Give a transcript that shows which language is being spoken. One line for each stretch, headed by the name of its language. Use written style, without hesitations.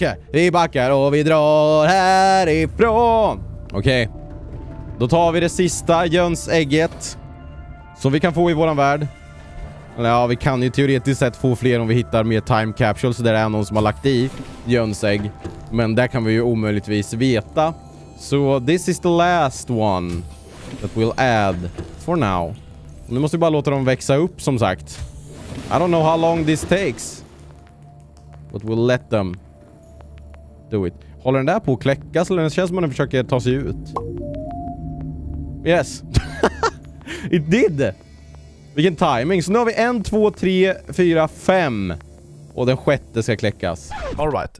Swedish: Vi backar och vi drar härifrån. Okej. Då tar vi det sista jönsägget. Som vi kan få i våran värld. Eller ja, vi kan ju teoretiskt sett få fler om vi hittar mer time capsules. Där det är någon som har lagt i jönsägg. Men där kan vi ju omöjligtvis veta.
English: So this is the last one that we'll add for now.
Swedish: Nu måste vi bara låta dem växa upp som sagt.
English: I don't know how long this takes. But we'll let them do it.
Swedish: Håller den där på att kläckas eller det känns som att den försöker ta sig ut?
English: Yes. It did.
Swedish: Vilken timing. Så nu har vi 1, 2, 3, 4, 5. Och den sjätte ska kläckas.
English: All right.